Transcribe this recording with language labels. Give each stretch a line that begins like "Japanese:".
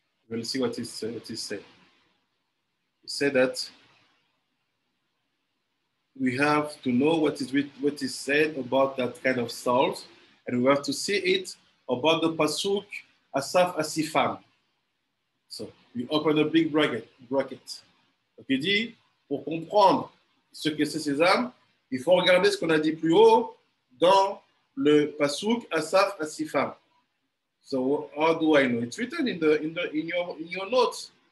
English: We'll see what it says. Say that we have to know what is said about that kind of salt, and we have to see it about the pasuk Asaf Asifam. So we open a big bracket.
French: Donc il dit, pour comprendre ce que c'est ces âmes, il faut regarder ce qu'on a dit plus haut dans le pasuk Asaf Asifam.
English: So how do I know? It's written in your notes.